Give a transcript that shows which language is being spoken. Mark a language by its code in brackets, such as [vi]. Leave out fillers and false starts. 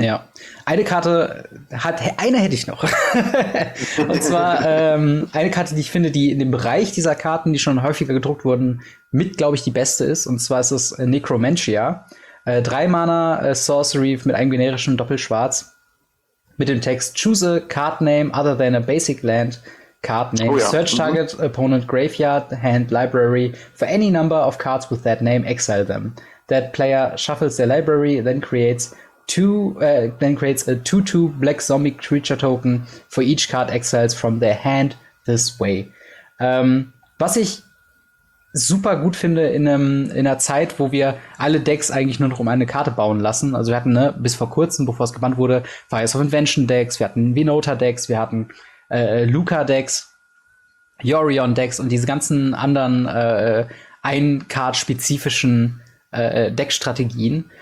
[de] Ja, eine Karte hat, eine hätte ich noch. Und zwar eine Karte, die ich finde, die in dem Bereich dieser Karten, die schon häufiger gedruckt wurden, mit, glaube ich, die beste ist. Und zwar ist es Necromancia. 3 Mana Sorcery mit einem generischen Doppelschwarz. Mit dem Text [en] Choose a card name other than a basic land card name. [de] Oh ja. [en] Search target opponent graveyard hand library for any number of cards with that name, exile them. That player shuffles their library, then creates then creates a 2/2 Black Zombie Creature Token for each card exiles from their hand this way. [de] Was ich super gut finde in einer Zeit, wo wir alle Decks eigentlich nur noch um eine Karte bauen lassen. Also wir hatten, ne, bis vor kurzem, bevor es gebannt wurde, Fires of Invention Decks, wir hatten Vinota Decks, wir hatten Luka Decks, Yorion Decks und diese ganzen anderen ein-Card-spezifischen Deckstrategien.